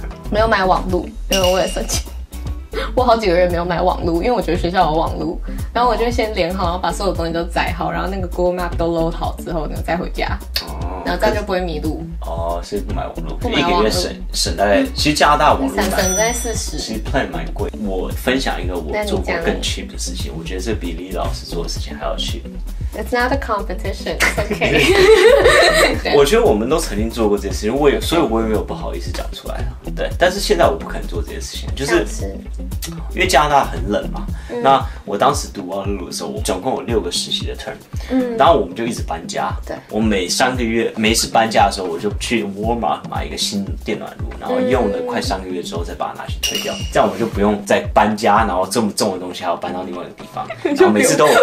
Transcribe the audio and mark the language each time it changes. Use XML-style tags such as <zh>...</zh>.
<zh>没有买网路，因为我也省钱，我好几个月没有买网路，因为我觉得学校有网路，然后我就先连好，然后把所有东西都载好，然后那个 Google Map 都 load 好之后，然后再回家。然后这样就不会迷路哦，所以不买网络，不买网络，一个月省大概，其实加拿大网络省在40，其实 plan 蛮贵。我分享一个我做过更 cheap 的事情，我觉得这比李老师做的事情还要 cheap。</zh> <en>It's not a competition, it's okay.</en> <zh>我觉得我们都曾经做过这些事情，所以我也没有不好意思讲出来啊。对，但是现在我不肯做这些事情，就是因为加拿大很冷嘛。那我当时读 Waterloo 的时候，我总共有六个实习的 term。然后我们就一直搬家。对，我每三个月每次搬家的时候，我就去 Walmart 买一个新电暖炉，然后用了快三个月之后再把它拿去退掉，这样我就不用再搬家，然后这么重的东西还要搬到另外一个地方，然后每次都</zh>